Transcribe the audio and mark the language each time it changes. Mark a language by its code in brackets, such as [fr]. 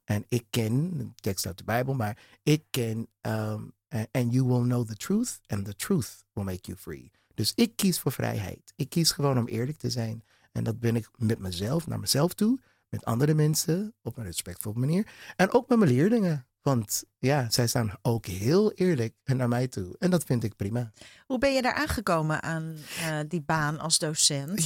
[nl] En ik ken, tekst uit de Bijbel, maar ik ken... [en] and you will know the truth, and the truth will make you free. [nl] Dus ik kies voor vrijheid. Ik kies gewoon om eerlijk te zijn. En dat ben ik met mezelf, naar mezelf toe. Met andere mensen, op een respectvolle manier. En ook met mijn leerlingen. Want ja, zij staan ook heel eerlijk naar mij toe. En dat vind ik prima. Hoe ben je daar aangekomen aan die baan als docent?